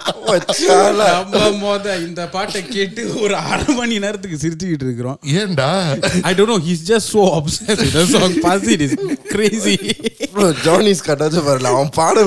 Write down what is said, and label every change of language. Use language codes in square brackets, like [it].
[ta] இந்த பாட்டை கேட்டு ஒரு அரை மணி நேரத்துக்கு சிரிச்சுக்கிட்டு இருக்கிறோம். ஏன்டா? [en] I don't know, he's just so obsessed with the song. Pazzi, it is crazy. [ta] Bro, Johnny's கட்டாச்சு பாருல, அவன் பாட